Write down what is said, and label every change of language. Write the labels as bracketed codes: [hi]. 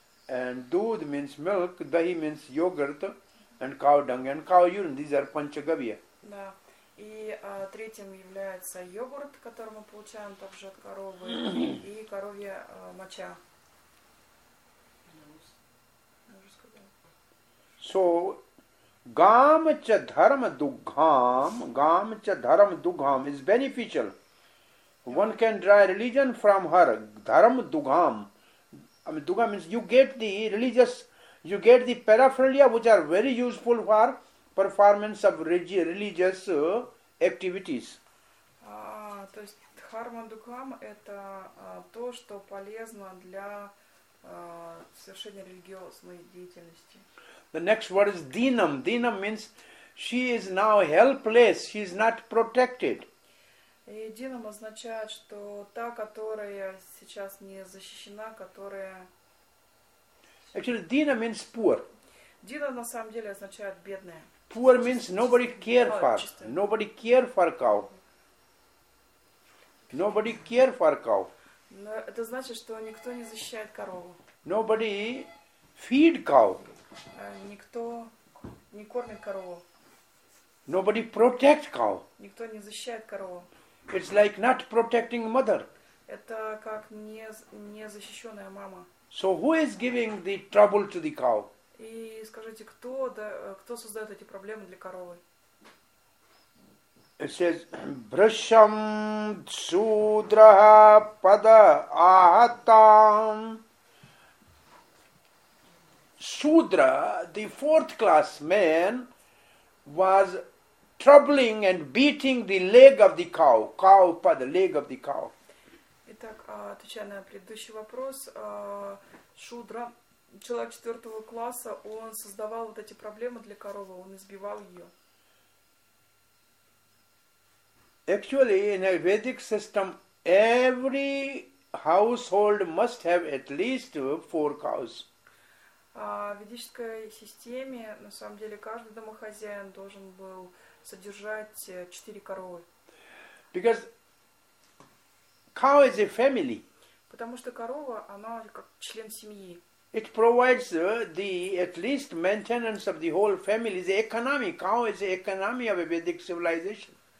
[en] And doodh means milk, dahi means yogurt, and cow dung and cow urine. These are panchagavya. [ru] Да. И третьим является йогурт, который мы получаем также от коровы, и коровья моча. [sa] So, gam cha dharma dugham, gam cha dharma dugham [en] is beneficial. One can draw religion from her, dharma dugham. I mean, dugham means you get the religious, you get the paraphernalia which are very useful for performance of religious activities. [ru] То есть dharma dugham это то, что полезно для совершения религиозной деятельности. [en] The next word is dinam. Dinam means she is now helpless. She is not protected. [ru] И dinam означает, что та, которая сейчас не защищена, которая... [en] Actually, dinam means poor. [ru] Dinam на самом деле означает бедная. [en] Poor means nobody care for. Nobody care for cow. Nobody care for cow. [ru] Но это значит, что никто не защищает корову. [en] Nobody feed cow. [ru] Никто не кормит корову. [en] Nobody protect cow. [ru] Никто не защищает корову. [en] It's like not protecting mother. [ru] Это как незащищенная мама. [en] So who is giving the trouble to the cow? [ru] И скажите, кто, да, кто создает эти проблемы для коровы? [en] It says, [sa] Brasham Sudra Pada Ahatam. [en] Sudra, the fourth class man, was troubling and beating the leg of the cow. Cow, by the leg of the cow. [ru] Итак, отвечая на предыдущий вопрос, Шудра, человек четвертого класса, он создавал вот эти проблемы для коровы, он избивал ее. [en] Actually, in a Vedic system, every household must have at least four cows. [ru] В ведической системе, на самом деле, каждый домохозяин должен был содержать четыре коровы. [en] Because cow is a family. [ru] Потому что корова, она как член семьи. [en] It provides the at least maintenance of the whole family. The economy. Cow is the economy of a Vedic civilization.